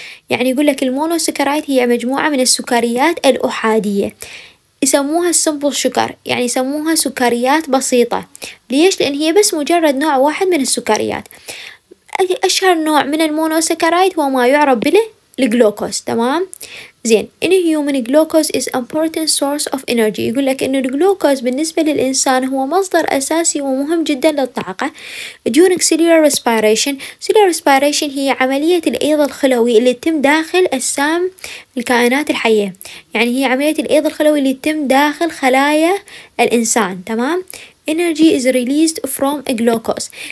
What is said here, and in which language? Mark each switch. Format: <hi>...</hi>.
<ar>يعني يقول لك المونوسكرايد هي مجموعة من السكريات الأحادية، يسموها سمبل شوغر، يعني يسموها سكريات بسيطة. ليش؟ لأن هي بس مجرد نوع واحد من السكريات. أشهر نوع من المونوسكرايد هو ما يعرف بله الجلوكوز، تمام؟ زين،</ar> <en>inhuman glucose is important source of energy.</en> <ar>يقول لك إنه الجلوكوز بالنسبة للإنسان هو مصدر أساسي ومهم جدا للطاقة.</ar> <en>During cellular respiration،</en> <ar>cellular respiration هي عملية الأيض الخلوي اللي تتم داخل أجسام الكائنات الحية، يعني هي عملية الأيض الخلوي اللي تتم داخل خلايا الإنسان، تمام؟</ar> <en>energy is released from a glucose.</en>